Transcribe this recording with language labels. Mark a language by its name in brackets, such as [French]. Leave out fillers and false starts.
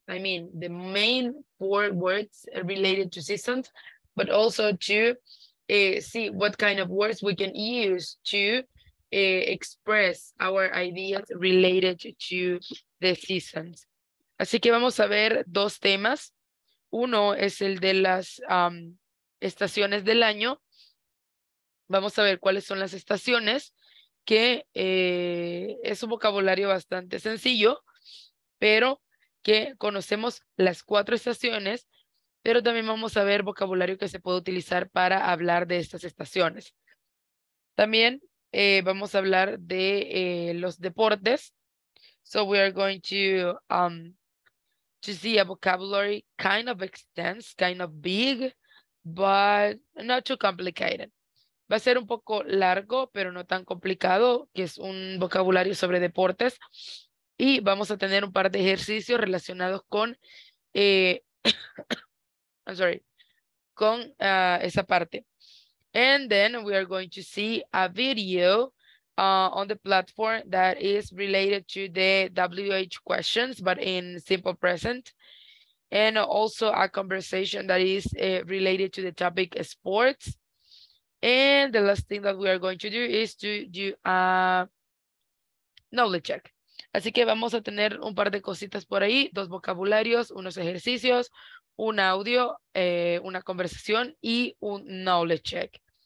[English] I mean, the main four words related to seasons, but also to see what kind of words we can use to express our ideas related to the seasons. [Spanish] Así que vamos a ver dos temas. Uno es el de las estaciones del año. Vamos a ver cuáles son las estaciones, que es un vocabulario bastante sencillo, pero que conocemos las cuatro estaciones, pero también vamos a ver vocabulario que se puede utilizar para hablar de estas estaciones. También vamos a hablar de los deportes. [English] So we are going to see a vocabulary kind of extensive, kind of big, but not too complicated. [Spanish] Va a ser un poco largo, pero no tan complicado, que es un vocabulario sobre deportes. Y vamos a tener un par de ejercicios relacionados con, [English] I'm sorry, [Spanish] con esa parte. [English] And then we are going to see a video on the platform that is related to the WH questions, but in simple present. And also a conversation that is related to the topic sports. And the last thing that we are going to do is to do a knowledge check. [Spanish] Así que vamos a tener un par de cositas por ahí, dos vocabularios, unos ejercicios, un audio, una conversación y un knowledge check.